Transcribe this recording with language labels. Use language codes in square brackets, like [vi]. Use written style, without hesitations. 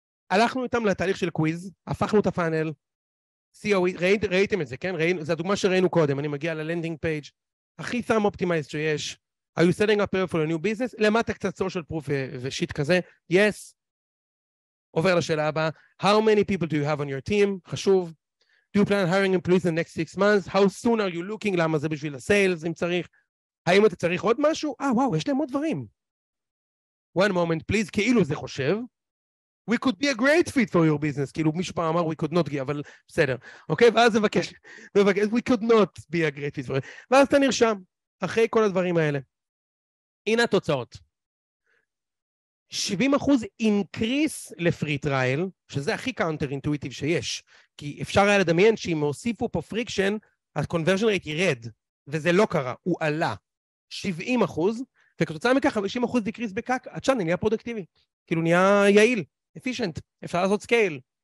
[he] הלכנו איתם לתהליך של קוויז, הפכנו את הפאנל, ראיתם את זה, כן? זה הדוגמה שראינו קודם, אני מגיע ללנדינג פייג', הכי סם אופטימייז שיש, [en] Are you setting up for a new business? [he] למטה קצת social proof ושיט כזה. Yes. עובר לשאלה הבאה, [en] how many people do you have on your team? [he] חשוב. [en] Do you plan hiring employees in the next 6 months? How soon are you looking? [he] למה זה בשביל הסיילס אם צריך? האם אתה צריך עוד משהו? וואו, יש להם עוד דברים. [en] One moment, please. [he] כאילו זה חושב. [en] We could be a great fit for your business. [he] כאילו מישהו אמר, [en] we could not be, [he] אבל בסדר. אוקיי? ואז מבקש, [en] we could not be a great fit for you. [he] ואז אתה נרשם, אחרי כל הדברים האלה. הנה התוצאות. 70% increase ל-free trial, שזה הכי counter-intuitive שיש. כי אפשר היה לדמיין שאם הוסיפו פה friction, ה-conversion rate ירד. וזה לא קרה, הוא עלה. 70%, וכתוצאה מכך 50% decrease בקק, הצ'אנל נהיה פרודקטיבי. כאילו נהיה יעיל, efficient, אפשר לעשות scale.